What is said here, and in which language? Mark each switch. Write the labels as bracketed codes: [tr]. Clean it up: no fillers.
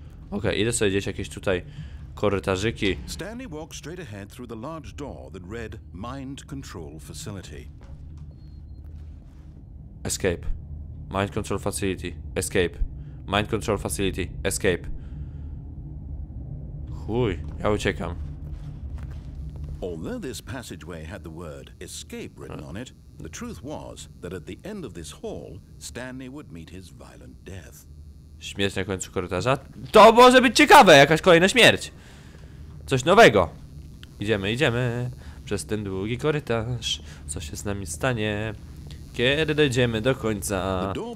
[pl] Okej, idę sobie gdzieś jakieś tutaj korytarzyki. [en] Stanley walked straight ahead through the large door that read Mind Control Facility. Escape. Mind Control Facility. Escape. Mind Control Facility. Escape. [pl] Chuj, ja uciekam. [en] Although this passageway had the word escape written on it, the truth was that at the end of this hall, Stanley would meet his violent death. [pl] Śmierć na końcu korytarza? To może być ciekawe, jakaś kolejna śmierć. Coś nowego. Idziemy przez ten długi korytarz. Co się z nami stanie, kiedy dojdziemy do końca?